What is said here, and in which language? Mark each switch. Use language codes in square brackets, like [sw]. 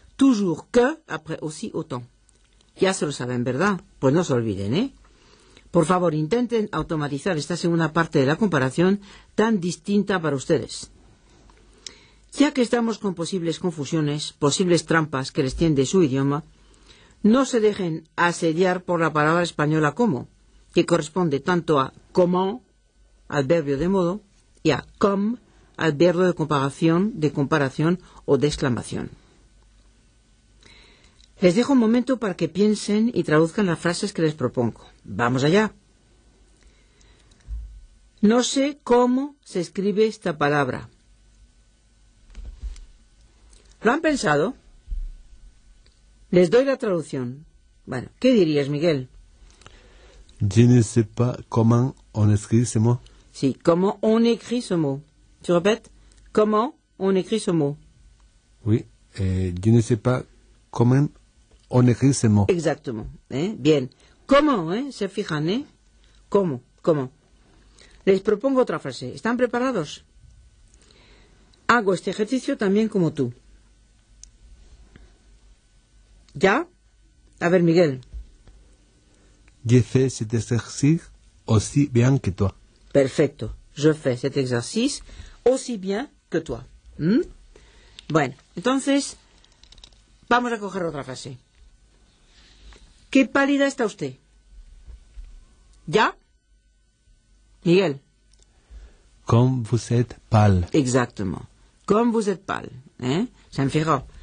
[fr] Toujours que, après aussi, autant. [es] Ya se lo saben, ¿verdad? Pues no se olviden, ¿eh? Por favor, intenten automatizar esta segunda parte de la comparación tan distinta para ustedes. Ya que estamos con posibles confusiones, posibles trampas que les tiende su idioma, no se dejen asediar por la palabra española como, que corresponde tanto a como, adverbio de modo, y a comme, adverbio de comparación o de exclamación. Les dejo un momento para que piensen y traduzcan las frases que les propongo. ¡Vamos allá! No sé cómo se escribe esta palabra. ¿Lo han pensado? Les doy la traducción. Bueno, ¿qué dirías, Miguel? [fr] Je ne sais pas comment on écrit ce mot. Sí, comment on écrit ce mot. Tu répètes, comment on écrit ce mot. Oui, je ne sais pas comment on écrit ce mot. Exactement. Bien. Comment, [es] se fijan, ¿Cómo? ¿Cómo? Les propongo otra frase. ¿Están preparados? Hago este ejercicio también como tú. ¿Ya? A ver, Miguel. [fr] Je fais cet exercice aussi bien que toi. [es] Perfecto. [fr] Je fais cet exercice aussi bien que toi. [es] Bueno, entonces, vamos a coger otra frase. ¿Qué pálida está usted? ¿Ya? Miguel. [fr] Comme vous êtes pâle. Exactement. Comme vous êtes pâle. [es] Se han fijado.